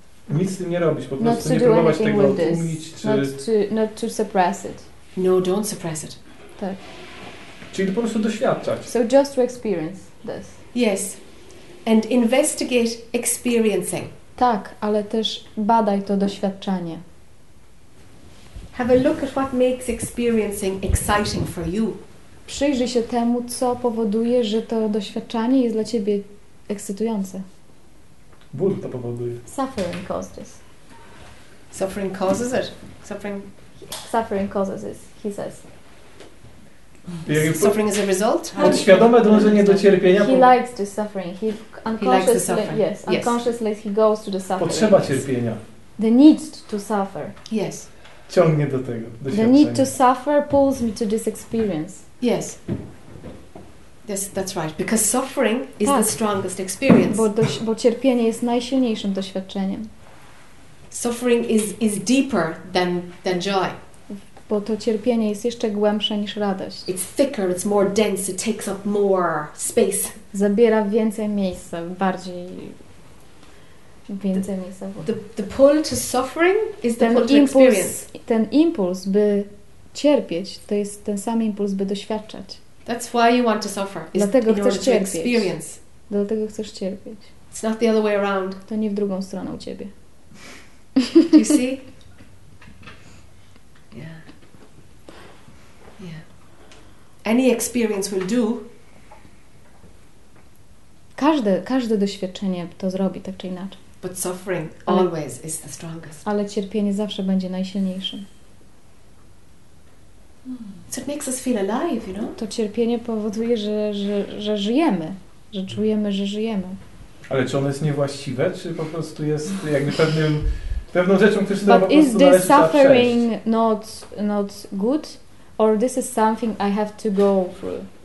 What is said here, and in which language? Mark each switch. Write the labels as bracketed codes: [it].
[pl] Nic z tym nie robić, po prostu nie próbować tego utłumić, czy [en] not to suppress it. No, don't suppress it. [pl] Tak. Czyli po prostu doświadczać. [en] So just to experience this. Yes. And investigate experiencing. [pl] Tak, ale też badaj to doświadczanie. [en] Have a look at what makes experiencing exciting for you. [pl] Przyjrzyj się temu, co powoduje, że to doświadczanie jest dla ciebie ekscytujące. Ból to powoduje. [en] Suffering causes. Suffering causes it. Suffering. Suffering causes it. He says. Suffering is a result. [pl] Podświadome dążenie do cierpienia. [en] He likes the suffering. He unconsciously yes. he goes to the suffering. [pl] Potrzeba cierpienia. [en] The need to suffer. Yes. [pl] Ciągnie do tego. [en] The need to suffer pulls me to this experience. Yes. Yes, that's right. Because suffering is the strongest experience. [pl] Bo cierpienie jest najsilniejszym doświadczeniem. [en] suffering is deeper than joy. [pl] Bo to cierpienie jest jeszcze głębsze niż radość. [en] It's thicker, it's more dense, it takes up more space. [pl] Zabiera więcej miejsca, bardziej więcej miejsca. [en] The pull to suffering is the pull to experience. [pl] Ten impuls, by cierpieć, to jest ten sam impuls, by doświadczać. [en] That's why you want to suffer. [pl] Dlatego chcesz cierpieć. [en] Experience. [pl] Dlatego chcesz cierpieć. [en] It's not the other way around. [pl] To nie w drugą stronę u ciebie. [en] Do you see? Any experience will do. [pl] Każde doświadczenie to zrobi, tak czy inaczej. [en] But suffering always is the strongest. [pl] Ale cierpienie zawsze będzie najsilniejszym. [en] So it makes us feel alive, you know? [pl] To cierpienie powoduje, że żyjemy, że czujemy, że żyjemy. Ale czy ono jest niewłaściwe, czy po prostu jest jakby pewną rzeczą, którą po prostu należy przejść? [en] But is the suffering not good? Or this is something I have to go through.